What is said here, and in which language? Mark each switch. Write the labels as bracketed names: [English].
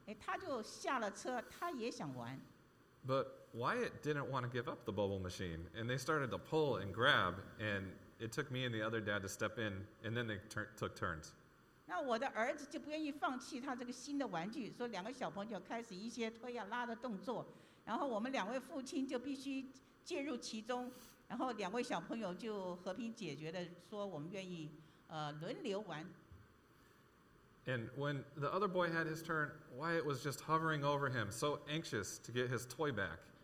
[Chinese] 然后这位邻居的小朋友看到我的儿子在玩这个泡沫的时候，哎，他就下了车，他也想玩。 [English] But Wyatt didn't want to give up the bubble machine, and they started to pull and grab, and it took me and the other dad to step in, and then they took turns. [Chinese] 那我的儿子就不愿意放弃他这个新的玩具，所以两个小朋友开始一些推呀拉的动作。然后我们两位父亲就必须介入其中，然后两位小朋友就和平解决的说我们愿意轮流玩。And [English] when the other boy had his turn, Wyatt was just hovering over him, so anxious to get his toy back.